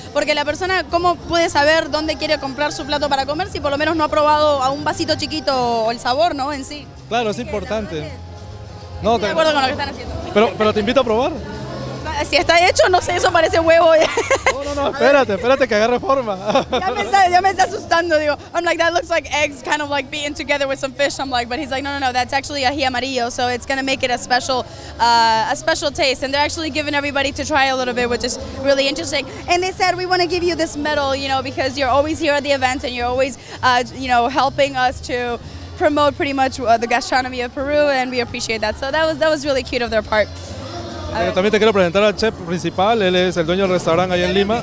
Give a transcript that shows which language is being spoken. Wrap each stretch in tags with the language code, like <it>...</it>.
<es>Porque la persona, ¿cómo puede saber dónde quiere comprar su plato para comer si por lo menos no ha probado a un vasito chiquito o el sabor, ¿no? En sí. Claro, es importante. No, estoy de acuerdo con lo que están haciendo. Pero te invito a probar. Si está hecho, no sé, eso parece huevo. No, espérate que agarre forma. Ya me está asustando, digo.</es> <en>I'm like, that looks like eggs kind of like beaten together with some fish. I'm like, but he's like, no, that's actually ají amarillo, so it's going to make it a special taste. And they're actually giving everybody to try a little bit, which is really interesting. And they said, we want to give you this medal, you know, because you're always here at the event and you're always, you know, helping us to promote pretty much the gastronomy of Peru, and we appreciate that. So that was really cute of their part.</en> <es>También te quiero presentar al chef principal, él es el dueño del restaurante allá en Lima.</es>